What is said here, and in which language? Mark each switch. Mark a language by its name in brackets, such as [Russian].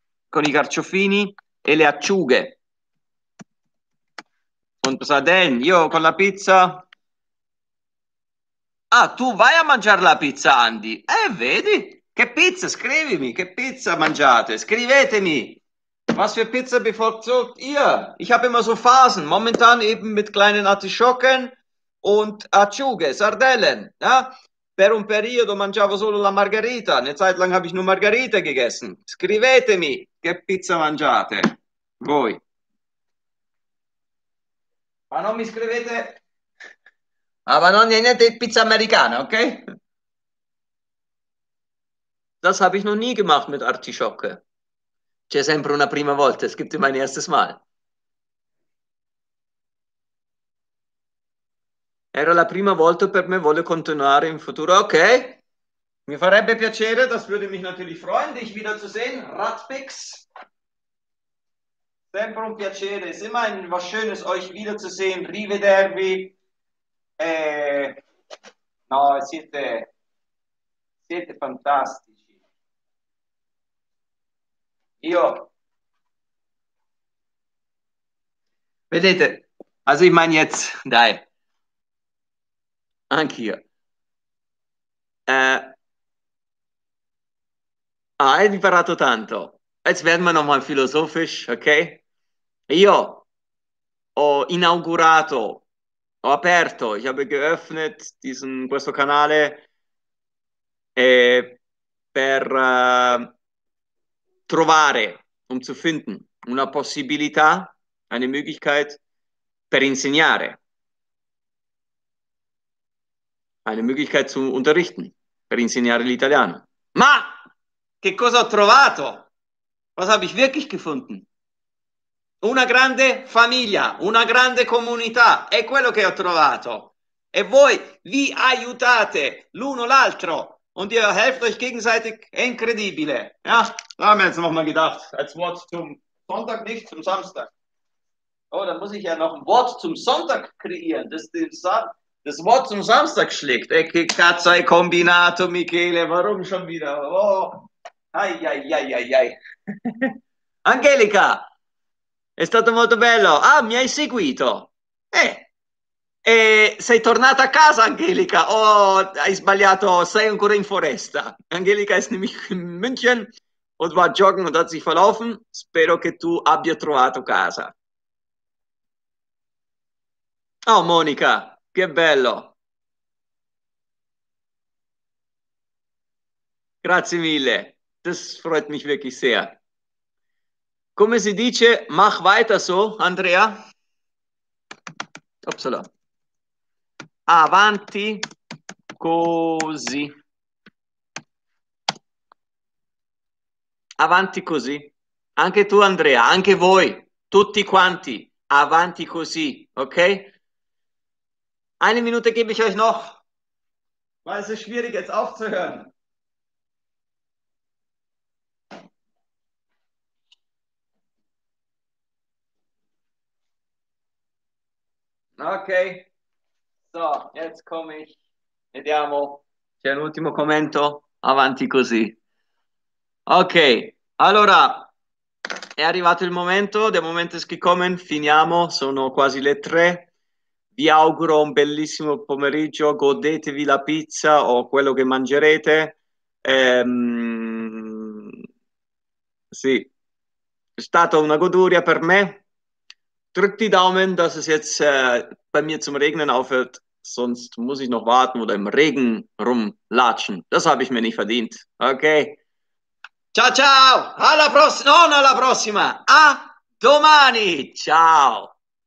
[Italian] Con i carciofini e le acciughe. Und Saden, io con la pizza. Ah, tu vai a mangiare la pizza, Andy. Vedi? Che pizza? Scrivimi, che pizza mangiate? Scrivetemi. [German] Was für Pizza bevorzugt ihr? Ich habe immer so Phasen. Momentan eben mit kleinen Artischocken und Acciughe, Sardellen. Ja? [Italian] Per un periodo mangiavo solo la margherita, [German] eine Zeit lang habe ich nur Margherita gegessen. [Italian] Scrivetemi che pizza mangiate voi. Ma non mi scrivete. Ah, ma non è niente di pizza americana, ok? [German] Das habe ich noch nie gemacht mit Artischocke. [Italian] C'è sempre una prima volta, [German] es gibt immer ein erstes Mal. [Italian] Era la prima volta per me, voglio continuare in futuro. [German] Ok, [Italian] mi farebbe piacere, [German] das würde mich natürlich freuen, dich wiederzusehen. Ratpix, [Italian] sempre un piacere, [German] ist immer ein was Schönes, euch wiederzusehen. [Italian] Rivedervi. No, siete fantastici. [German] Vedete, also ich meine jetzt, dai. Anch'io. [Italian] Hai imparato tanto. [German] Jetzt werden wir nochmal philosophisch, ok? [Italian] Io ho inaugurato, ho aperto, [German] ich habe geöffnet [Italian] questo canale per trovare, [German] um zu finden, [Italian] una possibilità, [German] eine Möglichkeit [Italian] per insegnare. [German] Eine Möglichkeit zu unterrichten, [Italian] per insegnare l'italiano. Ma che cosa ho trovato? [German] Was habe ich wirklich gefunden? [Italian] Una grande famiglia, una grande comunità, è quello che ho trovato. E voi vi aiutate l'uno l'altro. [German] Und ihr helft euch gegenseitig, [Italian] è incredibile. [German] Ja, haben wir jetzt nochmal gedacht. Als Wort zum Sonntag, nicht zum Samstag. Oh, da muss ich ja noch ein Wort zum Sonntag kreieren. Das Wort zum Samstag schlägt. [Italian] Che cazzo hai combinato, Michele? [German] Warum schon wieder? [Italian] Oh, ai ai ai ai ai. Angelica, è stato molto bello. Ah, mi hai seguito. E sei tornata a casa, Angelica? Oh, hai sbagliato, sei ancora in foresta. [German] Angelica è nämlich in München und war joggen und hat sich verlaufen. [Italian] Spero che tu abbia trovato casa. Oh, Monica. Che bello. Grazie mille. [German] Das freut mich wirklich sehr. [Italian] Come si dice, [German] mach weiter so, [Italian] Andrea? Upsala. Avanti così. Avanti così. Anche tu, Andrea, anche voi, tutti quanti, avanti così, ok? [German] Eine Minute gebe ich euch noch, weil es ist schwierig, jetzt aufzuhören. Okay, so, jetzt komme ich. Vediamo. [Italian] C'è un ultimo commento? Avanti così. Ok, allora, È arrivato il momento, de momentos que comen, finiamo, sono quasi le tre. Vi auguro un bellissimo pomeriggio, godetevi la pizza o quello che mangerete. Sì, è stata una goduria per me. [German] Drückt die Daumen, dass es jetzt bei mir zum Regnen aufhört, sonst muss ich noch warten oder im Regen rumlatschen. Das habe ich mir nicht verdient. Okay. [Italian] Ciao, ciao. Alla prossima. Non alla prossima. A domani. Ciao.